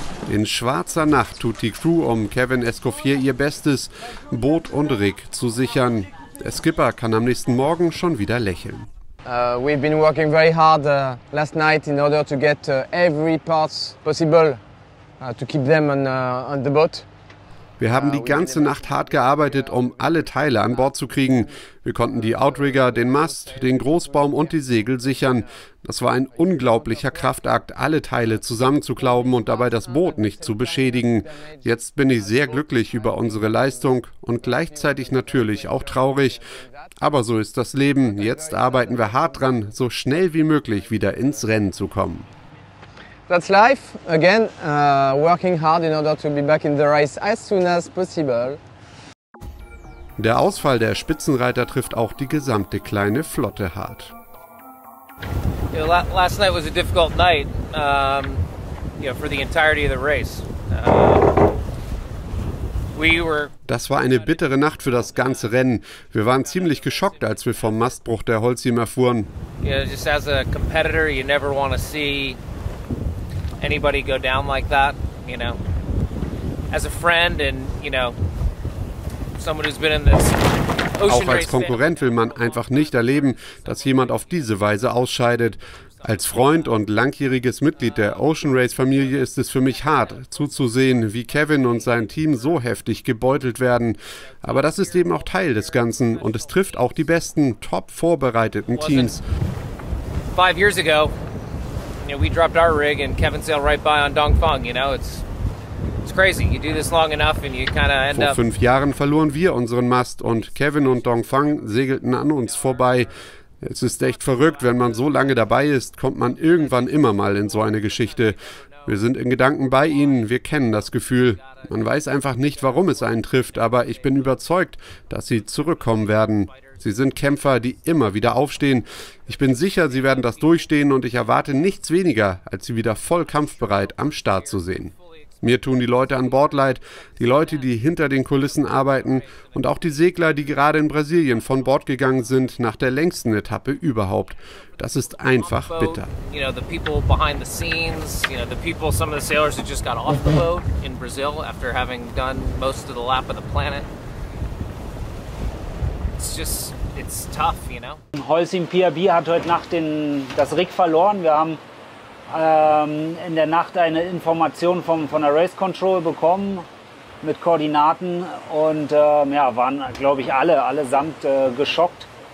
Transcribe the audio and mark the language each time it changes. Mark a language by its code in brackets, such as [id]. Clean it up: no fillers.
[de] In schwarzer Nacht tut die Crew um Kevin Escoffier ihr Bestes, Boot und Rig zu sichern. Der Skipper kann am nächsten Morgen schon wieder lächeln. [en] We've been working very hard last night in order to get every part possible to keep them on the boat. [de] Wir haben die ganze Nacht hart gearbeitet, um alle Teile an Bord zu kriegen. Wir konnten die Outrigger, den Mast, den Großbaum und die Segel sichern. Das war ein unglaublicher Kraftakt, alle Teile zusammenzuklauben und dabei das Boot nicht zu beschädigen. Jetzt bin ich sehr glücklich über unsere Leistung und gleichzeitig natürlich auch traurig. Aber so ist das Leben. Jetzt arbeiten wir hart dran, so schnell wie möglich wieder ins Rennen zu kommen. [en] That's life again, working hard in order to be back in the race as soon as possible. [de] Der Ausfall der Spitzenreiter trifft auch die gesamte kleine Flotte hart. [en] Last night was a difficult night, for the entirety of the race. [de] Das war eine bittere Nacht für das ganze Rennen. Wir waren ziemlich geschockt, als wir vom Mastbruch der Holcim erfuhren. [en] You know, just as a competitor, you never want to see anybody go down like that, you know. As a friend and, you know, someone who's been in this ocean race. [de] Auch als Konkurrent will man einfach nicht erleben, dass jemand auf diese Weise ausscheidet. Als Freund und langjähriges Mitglied der Ocean Race Familie ist es für mich hart, zuzusehen, wie Kevin und sein Team so heftig gebeutelt werden. Aber das ist eben auch Teil des Ganzen und es trifft auch die besten, top vorbereiteten Teams. [en] 5 years ago, you know, we dropped our rig and Kevin sailed right by on Dongfeng, you know, it's crazy. You do this long enough and you kind of end up. [de] Vor 5 Jahren verloren wir unseren Mast und Kevin und Dongfeng segelten an uns vorbei. Es ist echt verrückt, wenn man so lange dabei ist, kommt man irgendwann immer mal in so eine Geschichte. Wir sind in Gedanken bei Ihnen, wir kennen das Gefühl. Man weiß einfach nicht, warum es einen trifft, aber ich bin überzeugt, dass Sie zurückkommen werden. Sie sind Kämpfer, die immer wieder aufstehen. Ich bin sicher, Sie werden das durchstehen und ich erwarte nichts weniger, als Sie wieder voll kampfbereit am Start zu sehen. Mir tun die Leute an Bord leid, die Leute, die hinter den Kulissen arbeiten und auch die Segler, die gerade in Brasilien von Bord gegangen sind, nach der längsten Etappe überhaupt. Das ist einfach bitter. [en] You know, the people behind the scenes, you know, the people, some of the sailors who just got off the boat in Brazil after having done most of the lap of the planet. It's tough, you know. [de] Holcim PRB hat heute Nacht das Rig verloren. Wir haben in der Nacht eine Information von der Race Control bekommen mit Koordinaten und waren, glaube ich, allesamt geschockt.